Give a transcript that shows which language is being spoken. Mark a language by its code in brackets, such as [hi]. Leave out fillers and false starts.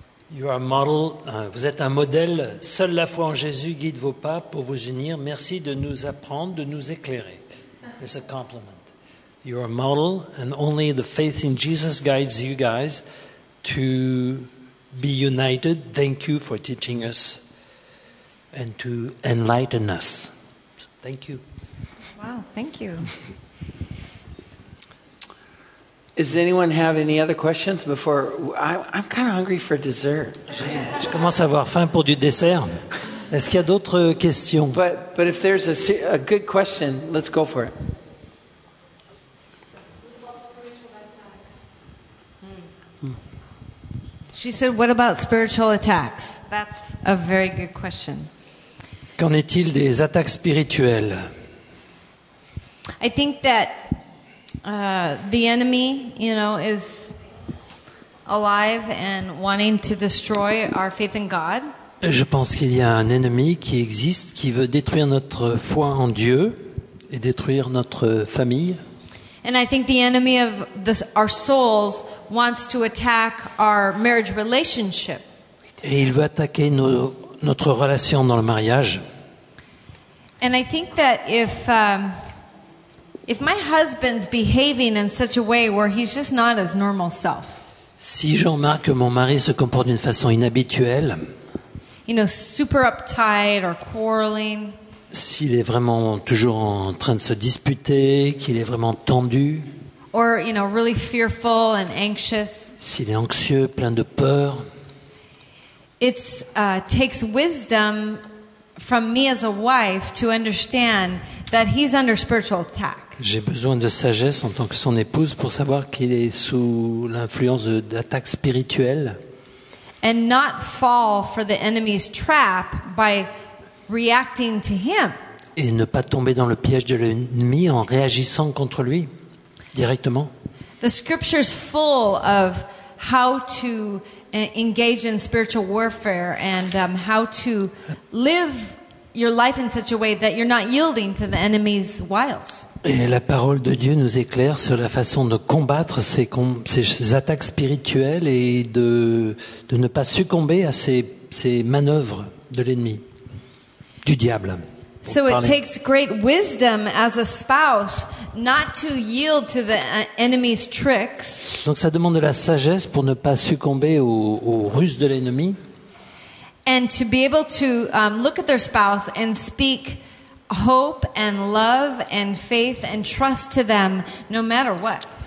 [en] You are a model. [fr] Vous êtes un modèle. Seule la foi en Jésus guide vos pas pour vous unir. Merci de nous apprendre, de nous éclairer. [en] It's a compliment. You are a model, and only the faith in Jesus guides you guys to be united. Thank you for teaching us and to enlighten us. Thank you. Wow, thank you. Does anyone have any other questions before? I'm kind of hungry for dessert. [fr] Je commence à avoir faim pour du dessert. Est-ce qu'il y a d'autres questions? [en] But if there's a good question, let's go for it. She said, "What about spiritual attacks?" That's a very good question. [fr] Qu'en est-il des attaques spirituelles? [en] I think that the enemy, you know, is alive and wanting to destroy our faith in God. [fr] Je pense qu'il y a un ennemi qui existe qui veut détruire notre foi en Dieu et détruire notre famille. [en] And I think the enemy of this, our souls wants to attack our marriage relationship. [fr] Et il veut attaquer notre relation dans le mariage. [en] And I think that if my husband's behaving in such a way where he's just not his normal self. [fr] Si je remarque que mon mari se comporte d'une façon inhabituelle. [en] You know, super uptight or quarreling. [fr] S'il est vraiment toujours en train de se disputer, qu'il est vraiment tendu. [en] Or, you know, really fearful and anxious. [fr] S'il est anxieux, plein de peur. [en] It's takes wisdom from me as a wife to understand that he's under spiritual attack. [fr] J'ai besoin de sagesse en tant que son épouse pour savoir qu'il est sous l'influence d'attaques spirituelles. [en] And not fall for the enemy's trap by reacting to him. [fr] Et ne pas tomber dans le piège de l'ennemi en réagissant contre lui directement. [en] The scripture's full of how to engage in spiritual warfare and how to live your life in such a way that you're not yielding to the enemy's wiles. [fr] Et la parole de Dieu nous éclaire sur la façon de combattre ces attaques spirituelles et de ne pas succomber à ces manœuvres de l'ennemi. Du diable. [en] So it takes great wisdom as a spouse not to yield to the enemy's tricks. [fr] Donc ça demande de la sagesse pour ne pas succomber aux ruses de l'ennemi. [en] And to be able to look at their spouse and speak hope and love and faith and trust to them no matter what.